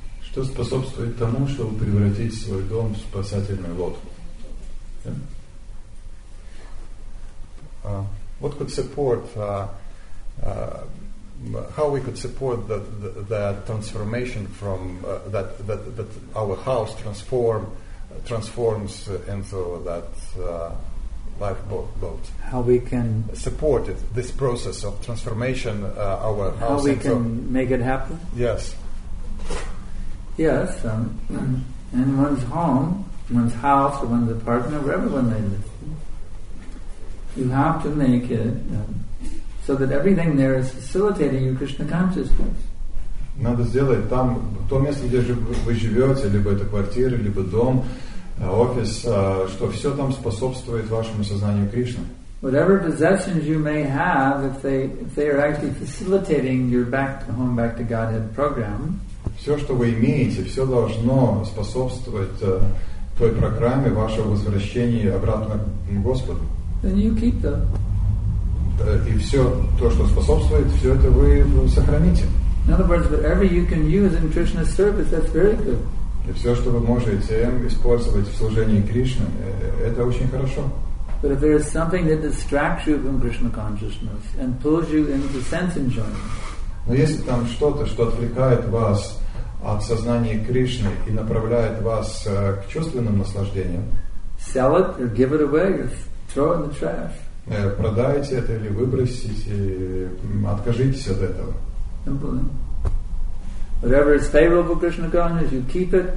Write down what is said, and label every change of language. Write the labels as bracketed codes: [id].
[ru] Что способствует тому, чтобы превратить свой дом в спасательную лодку? [en] What could support, how we could support that transformation from that our house transforms into that lifeboat. How we can support it, this process of transformation, our how house. How we can make it happen? Yes. Yes, in one's home, one's house, or one's apartment, or wherever one they live, you have to make it so that everything there is facilitating your Krishna consciousness. [ru] Надо сделать там то место, где вы живете, либо это квартира, либо дом, офис, что все там способствует вашему сознанию Кришны. [en] Whatever possessions you may have, if they are actually facilitating your back to home, back to Godhead program. [ru] Все, что вы имеете, все должно способствовать той программе вашего возвращения обратно к Господу. [en] Then you keep them. [ru] И все то, что способствует, все это вы сохраните. [en] In other words, whatever you can use in Krishna's service, that's very good. [ru] И все, что вы можете использовать в служении Кришне, это очень хорошо. [en] But if there is something that distracts you from Krishna consciousness and pulls you into sense enjoyment. [ru] Но если там что-то, что отвлекает вас от сознания Кришны и направляет вас к чувственным наслаждениям, [en] sell it or give it away or throw it in the trash. [ru] Продайте это или выбросите, откажитесь от этого. [en] Whatever is favorable Krishna consciousness, you keep it.